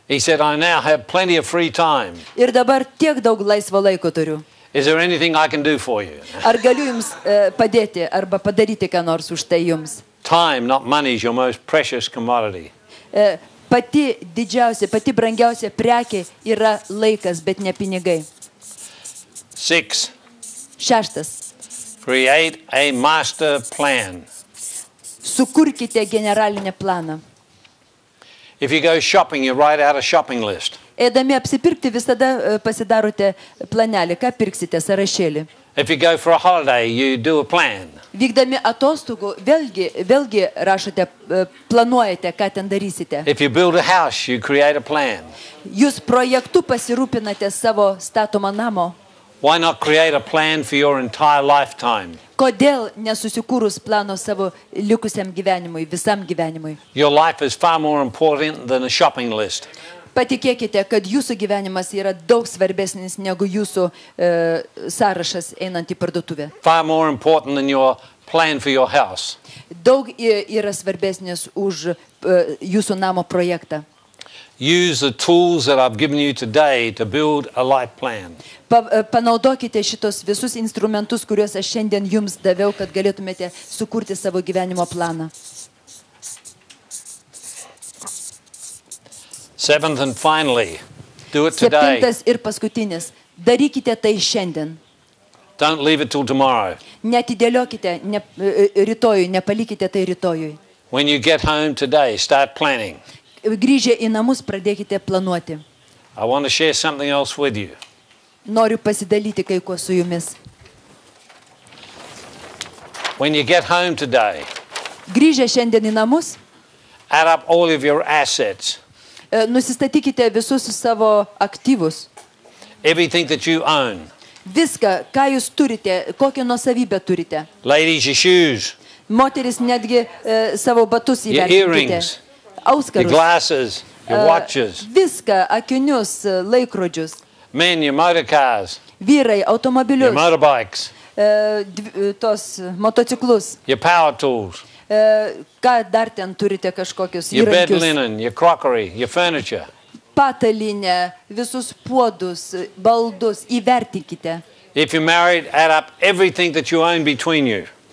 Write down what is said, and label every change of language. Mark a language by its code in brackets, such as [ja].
[en] He said I now have plenty of free time. [lt] Ir dabar tiek daug laisvo laiko turiu. [en] Is there anything I can do for you? [lt] Ar galiu jums padėti arba padaryti ką nors už tai jums? [en] Time, not money, is your most precious commodity. [lt] Pati didžiausia, pati brangiausia prekė yra laikas, bet ne pinigai. [en] Six. [lt] Šeštas. [en] Create a master plan. [lt] Sukurkite generalinį planą. [en] If you go shopping, you write out a shopping list. [lt] Eidami apsipirkti, visada pasidarote planelį, ką pirksite, sąrašėlį. [en] If you go for a holiday, you do a plan. [lt] Vykdami atostogų, vėlgi rašote, planuojate, ką ten darysite. [en] If you build a house, you create a plan. [lt] Jūs projektu pasirūpinate savo statomą namo. [en] Why not create a plan for your entire lifetime? [lt] Kodėl nesusikūrus plano savo likusiam gyvenimui, visam gyvenimui? [en] Your life is far more important than a shopping list. [lt] Patikėkite, kad jūsų gyvenimas yra daug svarbesnis negu jūsų sąrašas einant į parduotuvę. [en] Far more important than your plan for your house. [lt] Daug yra svarbesnis už jūsų namo projektą. [en] Use the tools that I've given you today to build a life plan. [lt] Panaudokite šitos visus instrumentus, kuriuos aš šiandien jums daviau, kad galėtumėte sukurti savo gyvenimo planą. [en] Seventh and finally, do it today. [lt] Septintas ir paskutinis. Darykite tai šiandien. [en] Don't leave it till tomorrow. [lt] Neatidėliokite rytojui, nepalikite tai rytojui. [en] When you get home today, start planning. [lt] Grįžę į namus, pradėkite planuoti. [en] I want to share something else with you. [lt] Noriu pasidalyti kai ko su jumis. [en] When you get home today, [lt] grįžę šiandien į namus, [en] add up all of your assets. [lt] Nusistatykite visus savo aktyvus. [en] Everything that you own. [lt] Viską, ką jūs turite, kokią nuosavybę turite. [en] Ladies, your shoes. [lt] Moteris netgi savo batus įvertinkite. [en] Your earrings. [lt] Auskarus. [en] Your glasses, your watches. [lt] Viską, akinius, laikrodžius. [en] Men, your motor cars. [lt] Vyrai, automobilius. [en] Your motorbikes. [lt] Tos motociklus. [en] Your power tools. [lt] Ką dar ten turite kažkokius [en] Your bed linen, your crockery, your furniture. [lt] Patalinę, visus puodus, baldus, įvertinkite. [en] If you're married, add up everything that you own between you.